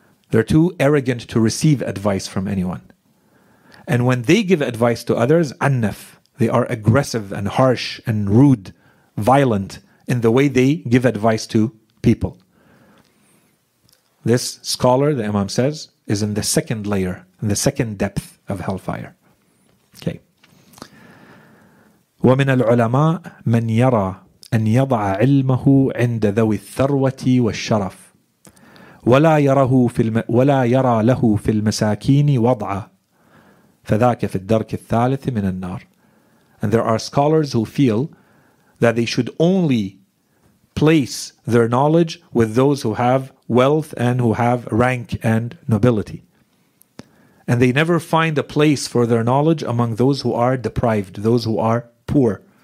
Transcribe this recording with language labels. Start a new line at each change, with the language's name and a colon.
English: They're too arrogant to receive advice from anyone. And when they give advice to others, annaf, they are aggressive and harsh and rude, violent in the way they give advice to people. This scholar, the Imam says, is in the second layer, in the second depth of hellfire. Okay.
Arabic: وَمِنَ الْعُلَمَاءِ مَنْ يَرَى أن يضع علمه عند ذوي الثروة والشرف ولا يرى له في المساكين وضعا فذاك في الدرك الثالث من النار.
English: And there are scholars who feel that they should only place their knowledge with those who have wealth and who have rank and nobility. And they never find a place for their knowledge among those who are deprived, those who are poor.